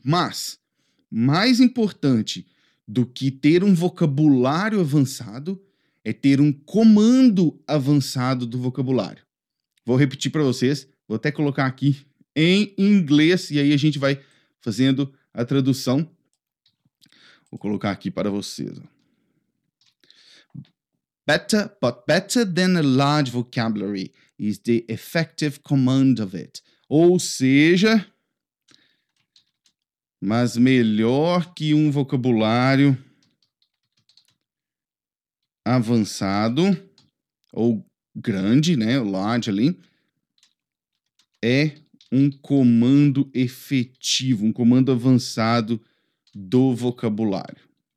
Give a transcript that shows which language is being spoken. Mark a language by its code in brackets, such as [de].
[pt] Mas mais importante do que ter um vocabulário avançado é ter um comando avançado do vocabulário. Vou repetir para vocês, vou até colocar aqui em inglês e aí a gente vai fazendo a tradução. Vou colocar aqui para vocês. [en] Better, but better than a large vocabulary is the effective command of it. [pt] Ou seja, mas melhor que um vocabulário avançado ou grande, né, large ali, é um comando efetivo, um comando avançado do vocabulário.